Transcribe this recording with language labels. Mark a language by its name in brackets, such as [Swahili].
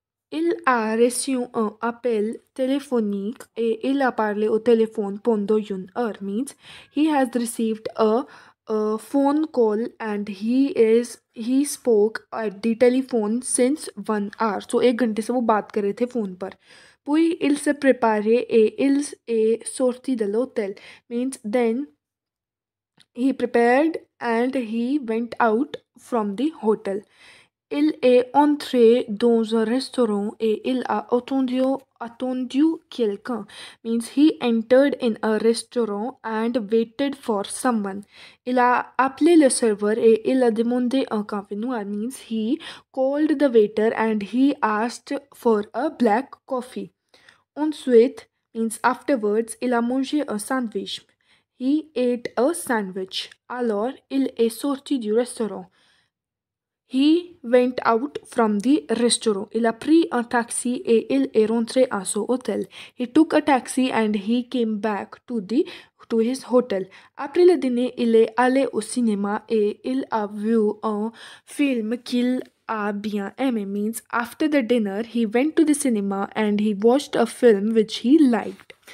[French] Il a reçu un appel téléphonique et il a parlé au téléphone pendant une heure. [English] Means he has received a phone call and he spoke at the telephone since 1 hour. [Hindi] So 1 ghante se wo baat kar rahe the phone par. [French] Puis il se prepare et il est sorti de l'hôtel. [English] Means then he prepared and he went out from the hotel. [French] Il est entré dans un restaurant et il a attendu quelqu'un. [English] Means he entered in a restaurant and waited for someone. [French] Il a appelé le serveur et il a demandé un café noir. [English] Means he called the waiter and he asked for a black coffee. [French] Ensuite, [English] means afterwards, [French] il a mangé un sandwich. [English] He ate a sandwich. [French] Alors, il est sorti du restaurant. [English] He went out from the restaurant. [French] Il a pris un taxi et il est rentré à son hôtel. [English] He took a taxi and he came back to his hotel. [French] Après le dîner, il est allé au cinéma et il a vu un film qu'il a bien aimé. [English] Means, after the dinner, he went to the cinema and he watched a film which he liked.